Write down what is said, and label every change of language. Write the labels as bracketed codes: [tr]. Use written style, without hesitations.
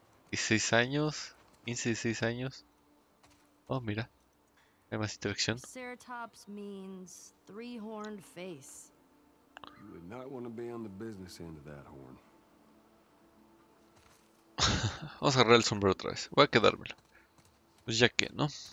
[es] 16 años, 15, 16 años. Oh, mira, hay más interacción. [en] Ceratops means three-horned face. You would not want to be on the business end of that horn. [es] Vamos a agarrar el sombrero otra vez. Voy a quedármelo. Pues ya que, ¿no?